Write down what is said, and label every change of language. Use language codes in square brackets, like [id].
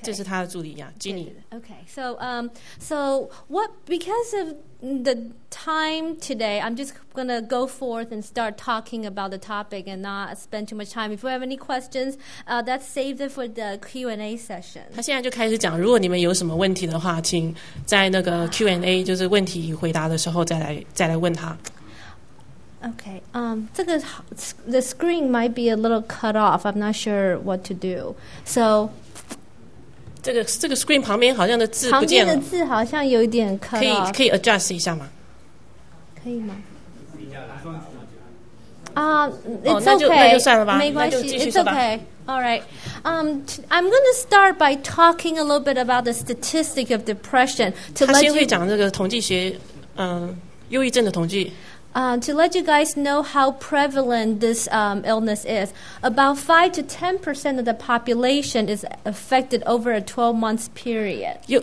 [zh] 这是他的助理呀 ，Ginny。 [en] OK，so what because of the time today, I'm just gonna go forth and start talking about the topic and not spend too much time. If you have any questions, let's save it for the Q&A session. [zh] 他现在就开始讲，如果你们有什么问题的话，请在那个 Q&A 就是问题回答的时候再来问他。 [en] Okay. The screen might be a little cut off. I'm not sure what to do. So, [zh] 这个 screen 旁边好像的字不见了，旁边的字好像有点 [en] cut off. [zh] 可以 adjust 一下吗？可以吗？ [en] It's okay. [zh] 没关系， [en] it's okay. All right. I'm going to start by talking a little bit about the statistic of depression. [zh] 他先会讲这个统计学，忧郁症的统计。 [en] To let you guys know how prevalent this illness is, about 5 to 10% of the population is affected over a 12-month period.